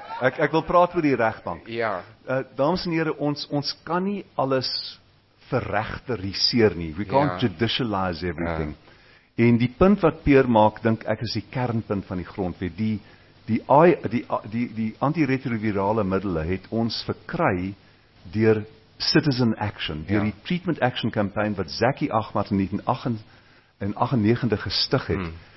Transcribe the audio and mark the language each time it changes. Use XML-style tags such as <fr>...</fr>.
<af>Ek wil praat oor die regbank. Ja. Dames en heren, ons kan nie alles verregteriseer nie.</af> <en>We can't judicialize everything.</en> <af>En die punt wat Peer maak, dink ek is die kernpunt van die grondwet. Die antiretrovirale middele het ons verkry deur</af> <en>citizen action,</en> <af>deur die treatment action campaign wat Zaki Ahmad in 1998 gestig het.</af>